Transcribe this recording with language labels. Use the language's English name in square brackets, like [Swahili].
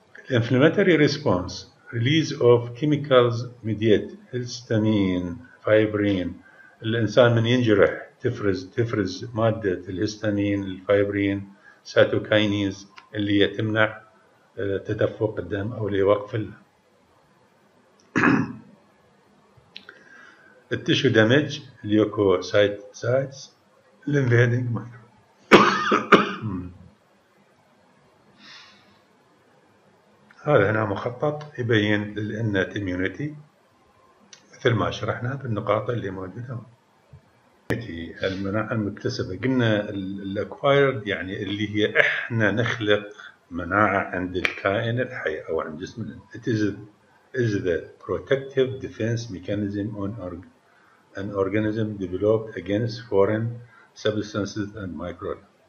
[English] Inflammatory response, release of chemicals mediate, histamine, fibrin. [Arabic] الإنسان من ينجرح تفرز مادة الهستامين, الفايبرين, cytokines اللي يتمنع تدفق الدم أو ليوقف الدم. [English] The tissue damage, leukocytes, invading micro. [Arabic] هذا هنا مخطط يبين النت اميونيتي مثل ما شرحنا بالنقاط اللي موجوده. المناعه المكتسبه قلنا الاكوايرد يعني اللي هي احنا نخلق مناعه عند الكائن الحي او عند جسم. [English] It is the protective defense mechanism on an organism developed against foreign substances and microbes.